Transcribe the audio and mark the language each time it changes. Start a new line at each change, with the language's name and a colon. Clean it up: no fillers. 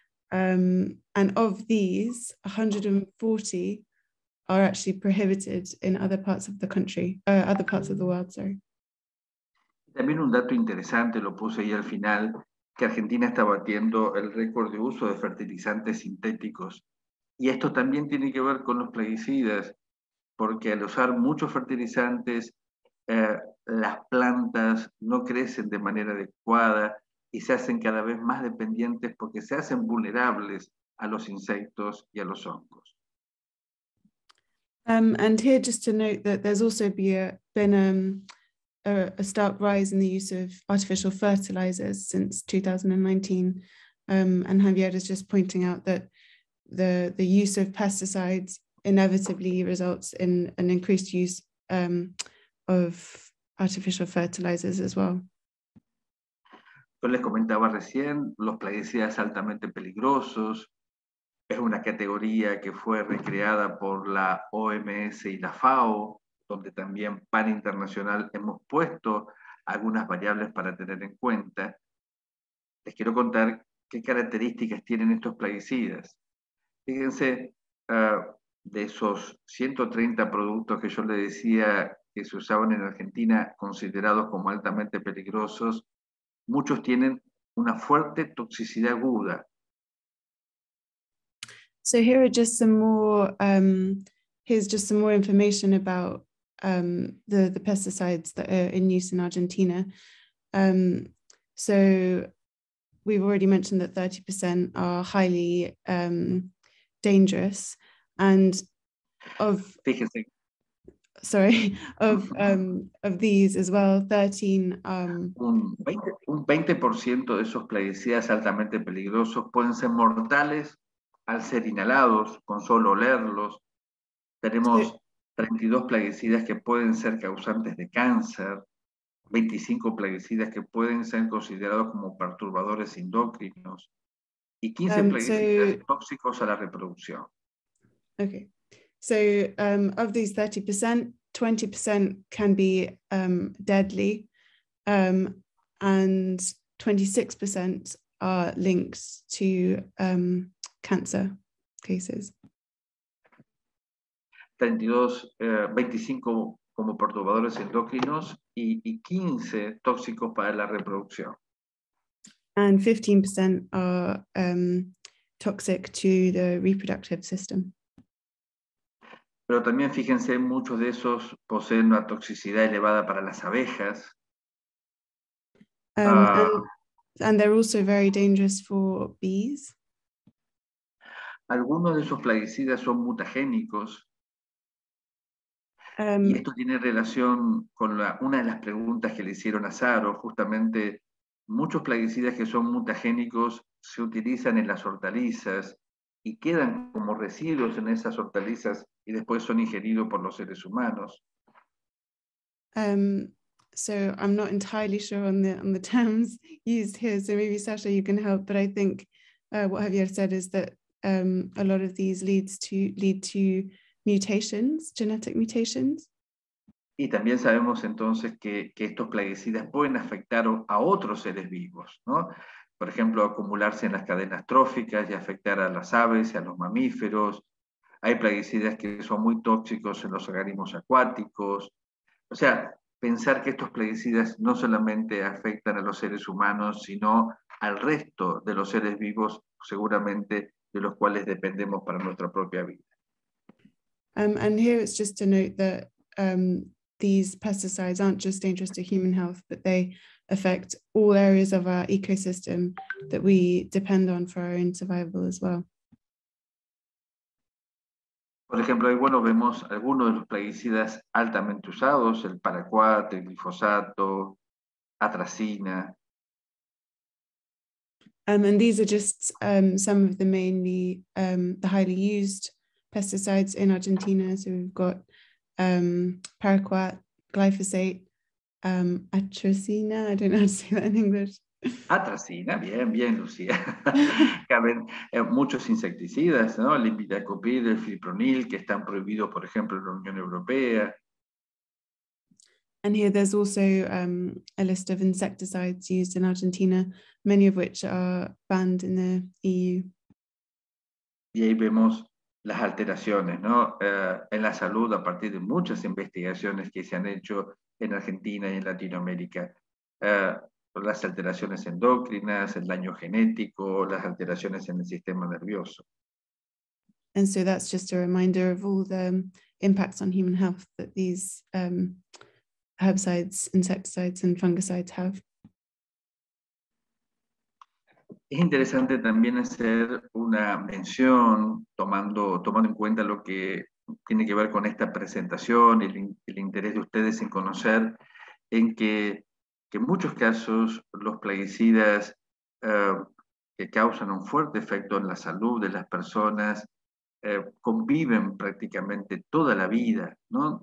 English: And of these, 140 are actually prohibited in other parts of the country, other parts of the world, sorry.
Spanish: También un dato interesante, lo puse ahí al final, que Argentina está batiendo el récord de uso de fertilizantes sintéticos. Y esto también tiene que ver con los plaguicidas, porque al usar muchos fertilizantes, las plantas no crecen de manera adecuada y se hacen cada vez más dependientes porque se hacen vulnerables a los insectos y a los hongos.
English: And here, just to note that there's also been a stark rise in the use of artificial fertilizers since 2019. And Javier is just pointing out that the use of pesticides inevitably results in an increased use of artificial fertilizers as well.
Spanish: Yo les comentaba recién, los plaguicidas altamente peligrosos. Es una categoría que fue recreada por la OMS y la FAO, donde también Pan Internacional hemos puesto algunas variables para tener en cuenta. Les quiero contar qué características tienen estos plaguicidas. Fíjense, de esos 130 productos que yo les decía que se usaban en Argentina, considerados como altamente peligrosos, muchos tienen una fuerte toxicidad aguda.
English: So here are just some more, here's just some more information about the pesticides that are in use in Argentina. So we've already mentioned that 30% are highly dangerous. And of these as well, 13.
Spanish: Un 20% de esos plaguicidas altamente peligrosos pueden ser mortales al ser inhalados, con solo olerlos. Tenemos 32 plaguicidas que pueden ser causantes de cáncer, 25 plaguicidas que pueden ser considerados como perturbadores endocrinos, y 15 plaguicidas tóxicos a la reproducción. Okay.
English: So, of these 30%, 20% can be deadly, and 26% are linked to cancer cases.
Spanish: 32, 25 como perturbadores endocrinos y 15 tóxicos para la reproducción.
English: And 15% are toxic to the reproductive system.
Spanish: Pero también fíjense, muchos de esos poseen una toxicidad elevada para las abejas.
English: And they're also very dangerous for bees.
Spanish: Algunos de esos plaguicidas son mutagénicos. Y esto tiene relación con una de las preguntas que le hicieron a Saro. Justamente, muchos plaguicidas que son mutagénicos se utilizan en las hortalizas y quedan como residuos en esas hortalizas y después son ingeridos por los seres humanos.
English: So I'm not entirely sure on the terms used here, so maybe Sasha you can help, but I think what Javier said is that a lot of these lead to mutations, genetic mutations.
Spanish: Y también sabemos entonces que estos plaguicidas pueden afectar a otros seres vivos, ¿no? Por ejemplo, acumularse en las cadenas tróficas y afectar a las aves y a los mamíferos. Hay plaguicidas que son muy tóxicos en los organismos acuáticos. O sea, pensar que estos plaguicidas no solamente afectan a los seres humanos, sino al resto de los seres vivos, seguramente de los cuales dependemos para nuestra propia vida.
English: And here it's just to note that these pesticides aren't just dangerous to human health, but they affect all areas of our ecosystem that we depend on for our own survival as well.
Spanish: Por ejemplo, ahí bueno, vemos algunos de los plaguicidas altamente usados, el paraquat, el glifosato, atracina.
English: And these are just some of the mainly, the highly used pesticides in Argentina. So we've got paraquat, glyphosate, atracina, I don't know how to say that in English.
Spanish: Atracina, bien, bien, Lucía. Caben muchos insecticidas, ¿no? El imidacopil, el fipronil, que están prohibidos, por ejemplo, en la Unión Europea.
English: And here there's also a list of insecticides used in Argentina, many of which are banned in the EU.
Spanish: Y ahí vemos las alteraciones, ¿no? En la salud a partir de muchas investigaciones que se han hecho en Argentina y en Latinoamérica. Las alteraciones endocrinas, el daño genético, las alteraciones en el sistema nervioso.
English: And so that's just a reminder of all the impacts on human health that these herbicides, insecticides, and fungicides have.
Spanish: Es interesante también hacer una mención, tomando en cuenta lo que tiene que ver con esta presentación y el interés de ustedes en conocer en que en muchos casos los plaguicidas que causan un fuerte efecto en la salud de las personas conviven prácticamente toda la vida, ¿no?